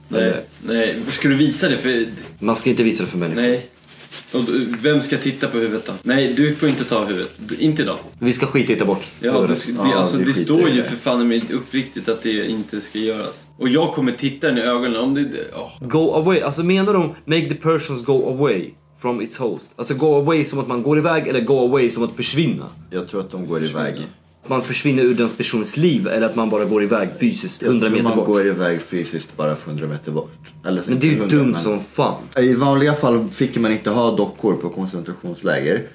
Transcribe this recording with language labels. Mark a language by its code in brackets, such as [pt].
[sv] Nej. Ska du visa det för... Man ska inte visa det för människor. Nej. Och vem ska titta på huvudet då? Nej, du får inte ta huvudet. Inte idag. Vi ska skita i ta bort. Ja, det står ju för fan i mig uppriktigt att det inte ska göras. Och jag kommer titta i ögonen om det... [en] Go away. [sv] Alltså menar de make the persons go away from its host? Alltså go away som att man går iväg eller go away som att försvinna? Jag tror att de går iväg. Man försvinner ur den personens liv eller att man bara går iväg fysiskt 100 meter bort? Man går iväg fysiskt bara 100 meter bort. Eller, men det är ju 100, dumt men... som fan. I vanliga fall fick man inte ha dockor på koncentrationsläger.